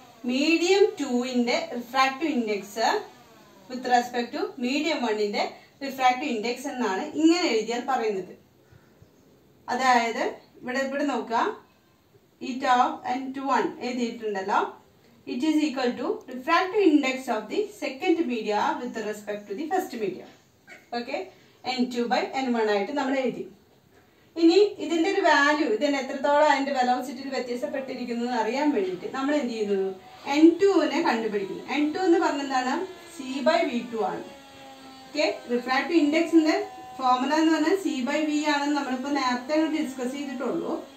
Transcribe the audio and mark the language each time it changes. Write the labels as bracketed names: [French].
[Malayalam] Medium ടുവിന്റെ refractive index with respect to medium വണ്ണിന്റെ refractive index എന്നാണ് ഇങ്ങനെ എഴുതിയാൽ പറയുന്നത്. അതായത് ഇവിടെ ഇവിടെ നോക്കാം, ഈ two and to one എഴുതിയിട്ടുണ്ടല്ലോ. [English] it is equal to refractive index of the second media with respect to the first media. [Malayalam] Okay, n2 by n1 ആയിട്ട് നമ്മൾ എഴുതി. ഇനി ഇതിന്റെ ഒരു വാല്യൂ ഇതിന് എത്രത്തോളം അതിന്റെ വെലോസിറ്റിയിൽ വ്യത്യാസപ്പെട്ടിരിക്കുന്നു അറിയാൻ വേണ്ടിയിട്ട് നമ്മൾ എന്ത് ചെയ്യുന്നു, n2 നെ കണ്ടുപിടിക്കുന്നു. n2 എന്ന് പറഞ്ഞാൽ എന്താണ്, c by v2 ആണ്. ഓക്കേ, റിഫ്രാക്റ്റീവ് ഇൻഡെക്സിന്റെ ഫോർമുല എന്ന് പറഞ്ഞാൽ സി ബൈ വി ആണെന്ന് നമ്മളിപ്പോൾ നേരത്തെ ഡിസ്കസ് ചെയ്തിട്ടുള്ളൂ.